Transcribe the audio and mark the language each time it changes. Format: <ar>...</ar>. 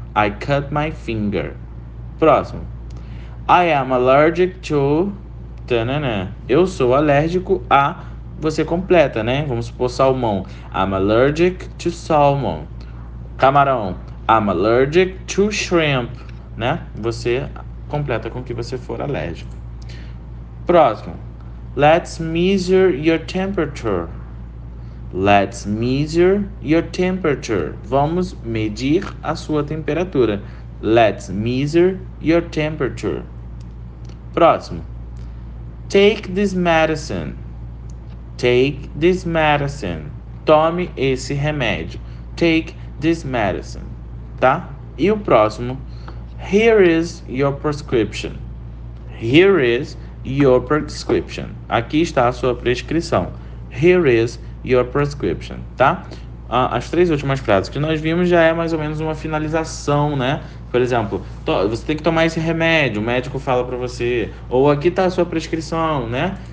<en>I cut my finger. Próximo. I am allergic to... Tanana.</en> <pt>Eu sou alérgico a... Você completa, né? Vamos supor salmão.</pt> <en>I'm allergic to salmon. Camarão. I'm allergic to shrimp. Né?</en> <pt>Você completa com o que você for alérgico. Próximo.</pt> <en>Let's measure your temperature. Let's measure your temperature.</en> <pt>Vamos medir a sua temperatura.</pt> <en>Let's measure your temperature. Próximo. Take this medicine. Take this medicine.</en> <pt>Tome esse remédio.</pt> <en>Take this medicine.</en> <pt>Tá? E o próximo.</pt> <en>Here is your prescription. Here is your prescription.</en> <pt>Aqui está a sua prescrição.</pt> <en>Here is your prescription, tá?</en> <pt>As três últimas frases que nós vimos já é mais ou menos uma finalização, né? Por exemplo, você tem que tomar esse remédio, o médico fala para você, ou aqui está a sua prescrição, né?</pt>